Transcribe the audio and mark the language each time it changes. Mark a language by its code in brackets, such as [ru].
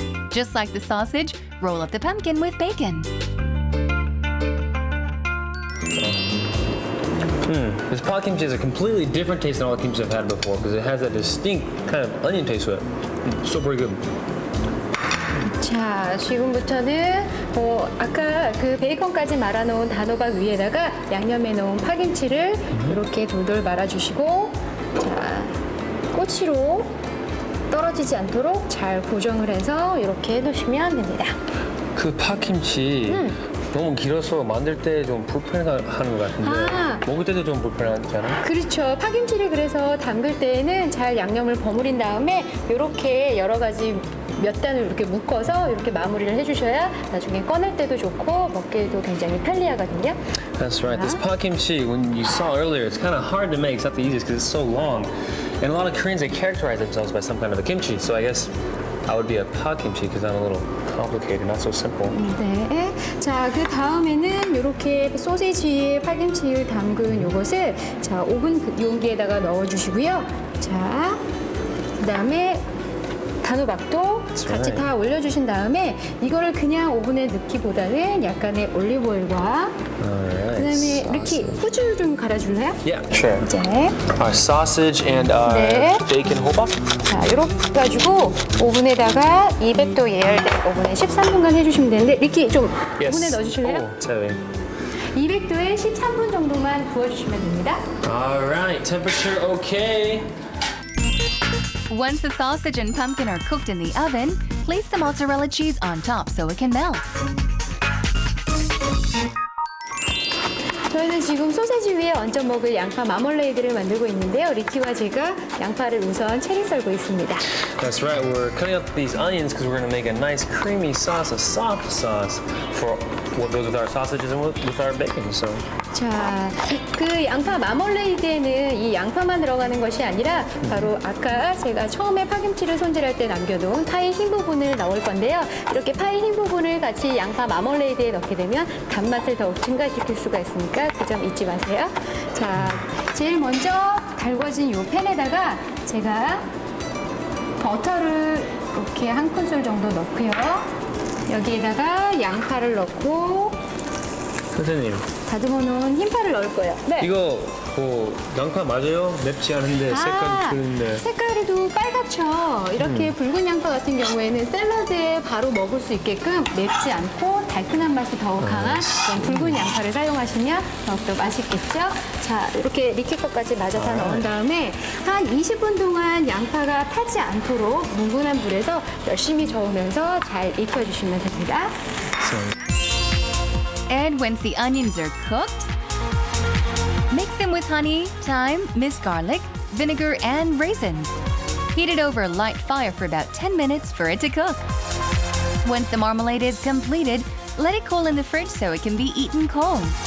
[en] Just like the sausage, roll up the pumpkin with bacon. This pa-kimchi is a completely different taste than all the kimchi I've had before because it has that distinct kind of onion taste to it. It's still pretty good. [ko] 자, 지금부터는 뭐 아까 그 베이컨까지 말아놓은 단호박 위에다가 양념해놓은 파김치를 이렇게 돌돌 말아주시고 자, 꼬치로 떨어지지 않도록 잘 고정을 해서 이렇게 해놓으시면 됩니다. 그 파김치 너무 길어서 만들 때 좀 불편해하는 것 같은데 먹을 때도 좀 불편하지 않아? 그렇죠. 파김치를 그래서 담글 때에는 잘 양념을 버무린 다음에 이렇게 여러 가지 몇 단을 이렇게 묶어서 이렇게 마무리를 해주셔야 나중에 꺼낼 때도 좋고 먹기에도 굉장히 편리하거든요. [en] That's right. This pa-kimchi, when you saw earlier, it's kind of hard to make. It's not the easiest because it's so long. And a lot of Koreans, they characterize themselves by some kind of a kimchi. So I guess I would be a pa-kimchi because I'm a little complicated, not so simple. [ko] 네. 자, 그 다음에는 이렇게 소시지에 파김치를 담근 이것을 자 오븐 용기에다가 넣어주시고요. 자, 그다음에 단호박도 같이 다 올려주신 다음에 이거를 그냥 오븐에 넣기보다는 약간의 올리브오일과 그다음에 이렇게 후추를 좀 갈아줄래요? [en] Yeah, sure. [ko] 이제 [en] our sausage and our bacon [ko] 호박. 자, 이렇게 가지고 오븐에다가 200도 예열된 오븐에 13분간 해주시면 되는데 이렇게 좀 오븐에 넣어주실래요? 200도에 13분 정도만 구워주시면 됩니다. [en] Alright, temperature okay. Once the sausage and pumpkin are cooked in the oven, place the mozzarella cheese on top so it can melt. [ko] 저희는 지금 소세지 위에 얹어 먹을 양파 마멀레이드를 만들고 있는데요. 리키와 제가 양파를 우선 체리 썰고 있습니다. [en] That's right. We're cutting up these onions because we're going to make a nice creamy sauce, a soft sauce for what goes with our sausages and with our bacon. So. [ko] 자, 그 양파 마멀레이드에는 이 양파만 들어가는 것이 아니라 바로 아까 제가 처음에 파김치를 손질할 때 남겨놓은 파의 흰 부분을 넣을 건데요. 이렇게 파의 흰 부분을 같이 양파 마멀레이드에 넣게 되면 단맛을 더욱 증가시킬 수가 있으니까 그 점 잊지 마세요. 자, 제일 먼저 달궈진 이 팬에다가 제가 버터를 이렇게 한 큰술 정도 넣고요. 여기에다가 양파를 넣고 선생님 다듬어 놓은 흰파를 넣을 거예요. 네. 이거 뭐 양파 맞아요? 맵지 않은데 색깔이 드는데. 색깔도 빨갛죠. 이렇게 붉은 양파 같은 경우에는 샐러드에 바로 먹을 수 있게끔 맵지 않고 달큰한 맛이 더 강한 그런 붉은 양파를 사용하시면 더욱더 맛있겠죠. 자, 이렇게 리키 것까지 맞아서 넣은 다음에 한 20분 동안 양파가 타지 않도록 뭉근한 불에서 열심히 저으면서 잘 익혀주시면 됩니다. [en] And once the onions are cooked, mix them with honey, thyme, minced garlic, vinegar, and raisins. Heat it over a light fire for about 10 minutes for it to cook. Once the marmalade is completed, let it cool in the fridge so it can be eaten cold.